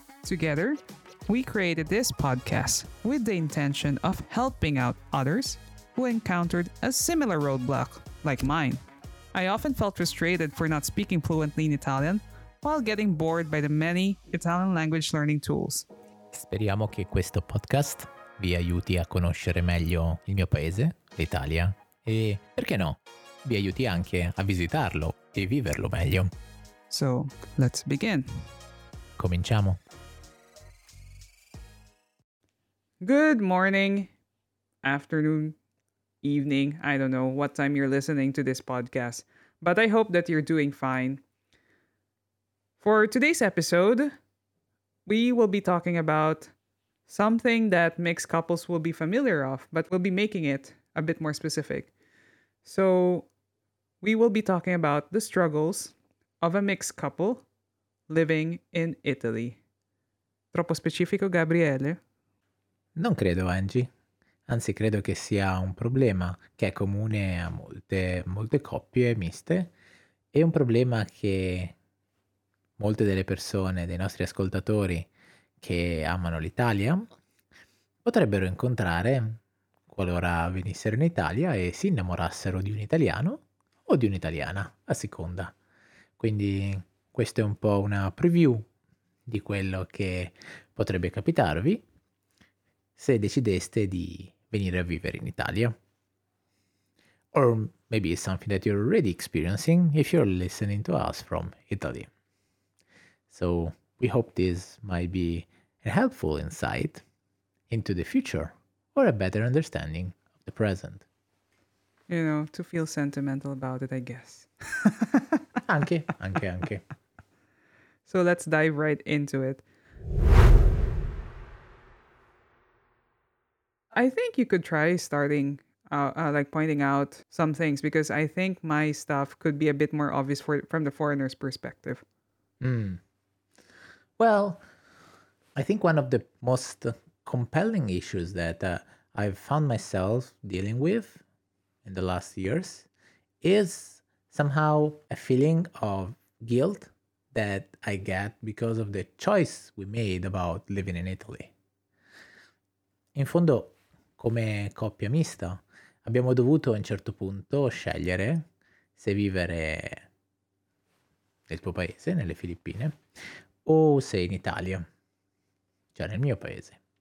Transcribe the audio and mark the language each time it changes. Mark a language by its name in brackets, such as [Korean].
[English] Together, we created this podcast with the intention of helping out others who encountered a similar roadblock like mine. I often felt frustrated for not speaking fluently in Italian while getting bored by the many Italian language learning tools. [Italian] Speriamo che questo podcast vi aiuti a conoscere meglio il mio paese, l'Italia, e perché no, vi aiuti anche a visitarlo e viverlo meglio. [English] So, let's begin. [Italian] Cominciamo. [English] Good morning, afternoon, evening. I don't know what time you're listening to this podcast, but I hope that you're doing fine. For today's episode, we will be talking about something that mixed couples will be familiar of, but we'll be making it a bit more specific. So we will be talking about the struggles of a mixed couple living in Italy. [Italian] Troppo specifico, Gabriele? Non credo, Angie. Anzi, credo che sia un problema che è comune a molte coppie miste e un problema che molte delle persone, dei nostri ascoltatori che amano l'Italia, potrebbero incontrare qualora venissero in Italia e si innamorassero di un italiano o di un'italiana, a seconda. Quindi questo è un po' una preview di quello che potrebbe capitarvi se decideste di venire a vivere in Italia. [English] Or maybe it's something that you're already experiencing if you're listening to us from Italy. So we hope this might be a helpful insight into the future or a better understanding of the present. You know, to feel sentimental about it, I guess. [Italian] Anche. [English] So let's dive right into it. I think you could try starting, pointing out some things, because I think my stuff could be a bit more obvious from the foreigner's perspective. Well, I think one of the most compelling issues that I've found myself dealing with in the last years is somehow a feeling of guilt that I get because of the choice we made about living in Italy. [Italian] In fondo, come coppia mista, abbiamo dovuto a un certo punto scegliere se vivere nel tuo paese, nelle Filippine, o se in Italia, cioè nel mio paese.